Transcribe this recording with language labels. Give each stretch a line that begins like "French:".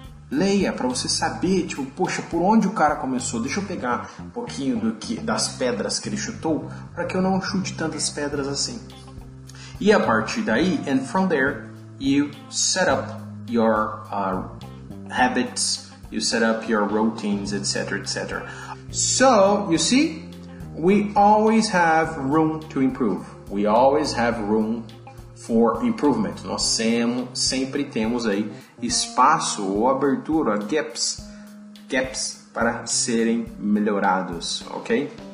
Portuguese: Leia para você saber, tipo, poxa, por onde o cara começou? Deixa eu pegar um pouquinho das pedras que ele chutou para que eu não chute tantas pedras assim. E a partir daí,
English: and from there, you set up your habits, you set up your routines, etc, etc. So, you see, we always have room to improve. We always have room for improvement.
Portuguese: Nós sempre temos aí espaço ou abertura, gaps para serem melhorados, ok?